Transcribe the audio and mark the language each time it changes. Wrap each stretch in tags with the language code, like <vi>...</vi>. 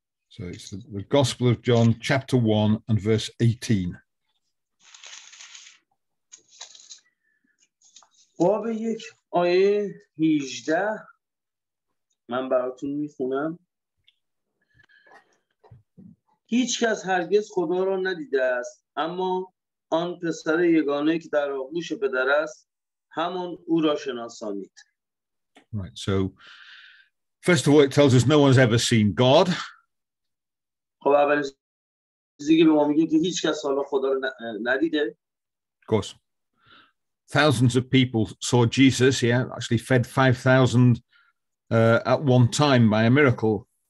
<en>So it's the Gospel of John, chapter 1 and verse 18.</en> <fa>باب یک آیه 18 من براتون میخونم. هیچ کس هرگز خدا را ندیده است، اما آن پسر یگانه که در آغوش پدر است همان او را شناسانید.</fa> <en>Right, so first of all it tells us no one's ever seen God.</en> <fa>خب اول زیگه به ما میگه که هیچ کس حالا خدا را ندیده.</fa> <en>Of course. Thousands of people saw Jesus, yeah, actually fed 5,000 at one time by a miracle.</en>